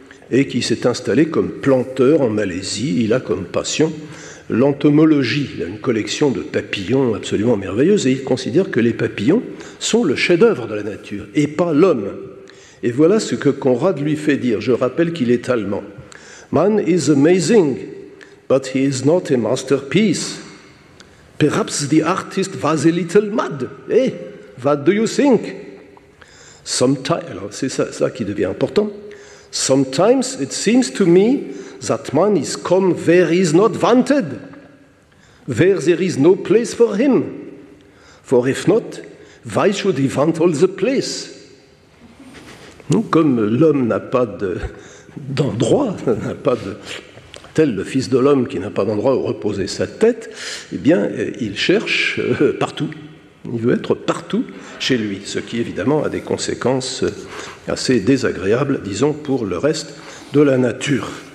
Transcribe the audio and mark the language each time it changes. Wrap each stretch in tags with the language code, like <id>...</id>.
<fr>et qui s'est installé comme planteur en Malaisie. Il a comme passion l'entomologie. Il a une collection de papillons absolument merveilleuse et il considère que les papillons sont le chef-d'œuvre de la nature et pas l'homme. Et voilà ce que Conrad lui fait dire. Je rappelle qu'il est allemand.</fr> <en>Man is amazing, but he is not a masterpiece. Perhaps the artist was a little mad. Hey, what do you think? Sometimes,</en> <fr>alors c'est ça, ça qui devient important.</fr> <en>Sometimes it seems to me that man is come where he is not wanted, where there is no place for him. For if not, why should he want all the place?</en> <fr>Donc, comme l'homme n'a pas d'endroit, n'a pas de, tel le fils de l'homme qui n'a pas d'endroit où reposer sa tête, eh bien, il cherche partout. Il veut être partout chez lui, ce qui évidemment a des conséquences assez désagréables, disons, pour le reste de la nature.</fr>